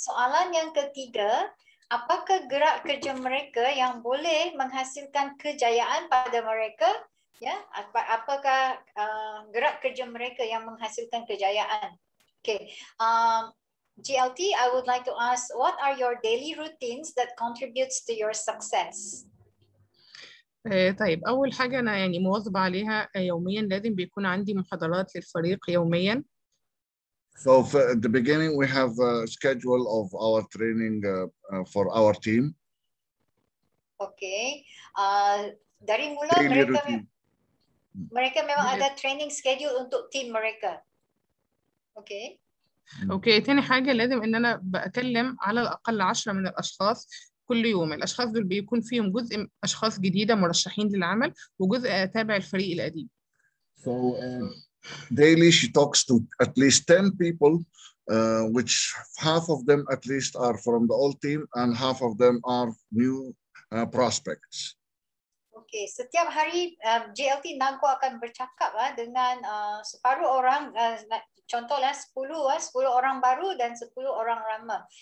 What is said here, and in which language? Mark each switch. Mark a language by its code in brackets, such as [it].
[ms] Soalan yang ketiga, apakah gerak kerja mereka yang boleh menghasilkan kejayaan pada mereka? Ya, apakah gerak kerja mereka yang menghasilkan kejayaan? [en] Okay, GLT, I would like to ask, what are your daily routines that contributes to your success? [ar] طيب أول حاجة أنا يعني مواظبة عليها يوميا لازم بيكون عندي محاضرات للفريق يوميا. [en] So for the beginning, we have a schedule of our training for our team. [ms] Okay. Dari mula [en] daily [ms] mereka [en] routine. [ms] Mereka memang ada training schedule untuk team mereka. Okay. [ar] أوكي تاني حاجة لازم إن أنا بأكلم على الأقل 10 من الأشخاص كل يوم. الأشخاص دول بيكون فيهم جزء أشخاص جديدة مرشحين للعمل وجزء تابع الفريق القديم. [en] So daily she talks to at least 10 people, which half of them at least are from the old team and half of them are new prospects. [ms] Okay, setiap hari GLT Nagwa akan bercakap dengan separuh orang, contohlah 10 orang baru dan 10 orang lama.